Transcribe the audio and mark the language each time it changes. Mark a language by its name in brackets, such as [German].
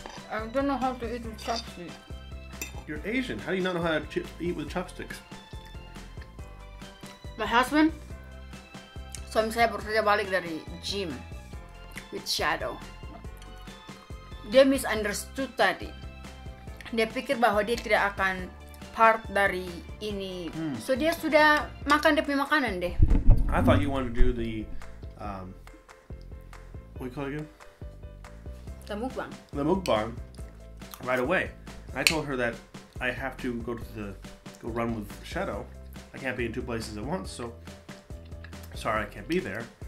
[English] I don't know how to eat with chopsticks. You're Asian. How do you not know how to eat with chopsticks? My husband. [Indonesian] Suami saya baru saja balik dari gym. with shadow. Dia misunderstood tadi. Dia pikir bahwa dia tidak akan part dari ini. Hmm. So dia sudah makan dia punya makanan deh. [English] I thought you wanted to do the what do you call it again? The mukbang. The mukbang right away. I told her that I have to go to the go run with Shadow. I can't be in two places at once, so sorry I can't be there.